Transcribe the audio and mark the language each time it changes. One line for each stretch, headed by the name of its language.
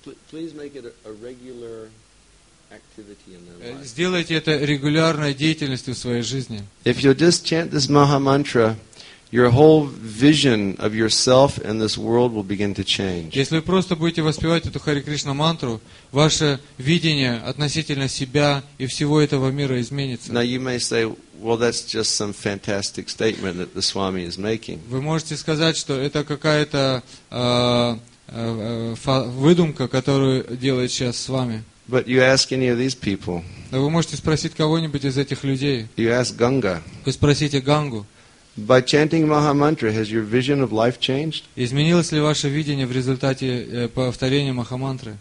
English: Please make it a regular activity in their life.
Russian: Сделайте это регулярной деятельностью в своей жизни.
English: If you just chant this Maha Mantra, your whole vision of yourself and this world will begin to change.
Russian: Если вы просто будете воспевать эту Хари Кришна мантру, ваше видение относительно себя и всего этого мира изменится.
English: Now you may say, well, that's just some fantastic statement that the Swami is making.
Russian: Вы можете сказать, что это какая-то выдумка, которую делает сейчас с вами.
English: But you ask any of these people.
Russian: Вы можете спросить кого-нибудь из этих людей.
English: You ask Ganga.
Russian: Вы спросите Гангу.
English: By chanting Maha Mantra, has your vision of life changed?
Russian: Изменилось ли ваше видение в результате повторения Маха Мантры?